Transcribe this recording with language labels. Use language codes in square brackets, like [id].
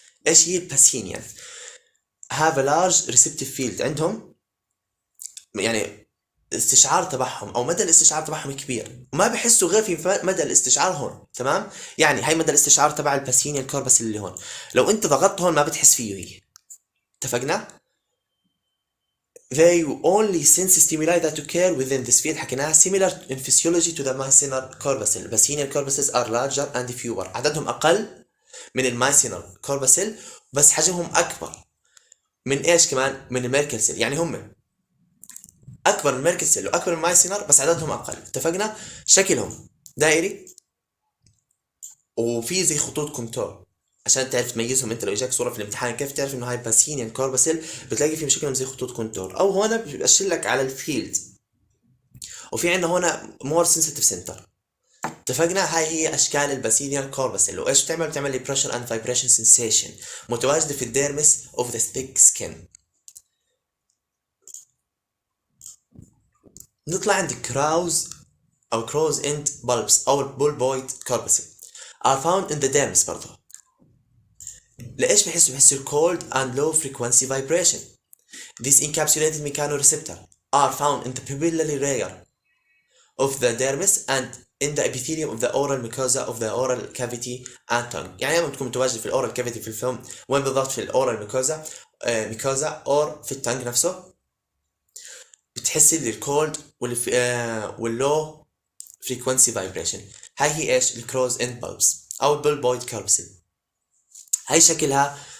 [ar] ايش هي الباسينيال؟ [en] have a large receptive field, [ar] عندهم يعني استشعار تبعهم او مدى الاستشعار تبعهم كبير، وما بحسوا غير في مدى الاستشعار هون، تمام؟ يعني هاي مدى الاستشعار تبع الباسينيال كوربس اللي هون، لو انت ضغطت هون ما بتحس فيه هي. [en] اتفقنا؟ They only sense stimuli that occur within this field. [ar] حكيناها [en] similar in physiology to the myosinal corpuscle. The basinal corpuscles are larger and fewer. [ar] عددهم أقل من الميسينال كوربسل بس حجمهم أكبر من إيش كمان؟ من الميركل سيل. يعني هم أكبر من الميركل سيل وأكبر من الميسينال بس عددهم أقل. اتفقنا؟ شكلهم دائري وفي زي خطوط كونتور عشان تعرف تميزهم. انت لو اجاك صوره في الامتحان كيف تعرف انه هاي باسينيان كوربسيل؟ بتلاقي فيهم شكلهم زي خطوط كونتور، او هون بيبشر لك على الفيلد. وفي عندنا هون مور سنسيتيف سنتر. اتفقنا؟ هاي هي اشكال الباسينيان كوربسيل. وايش بتعمل؟ بتعمل لي [en] pressure and vibration sensation, [ar] متواجده في [en] الديرمس of the thick skin. [ar] نطلع عند كراوز او كروز اند بلبس او بولبويد كوربسيل. [en] Are found in the dermis برضه. [ar] لايش بحسوا؟ بحسوا [en] الكولد and low frequency vibration. This encapsulated mechanoreceptor are found in the papillary layer of the dermis and in the epithelium of the oral mucosa of the oral cavity and tongue. [ar] يعني لما بتكون متواجد في الاورال كافيتي في الفم، وين بالضبط؟ في الاورال ميكوزا، ميكوزا اور في التانج نفسه. بتحسي بالكولد واللو فريكونسي فايبريشن. هاي هي ايش؟ الكروز اند بلبس او البلبويد كاربسل. هاي شكلها.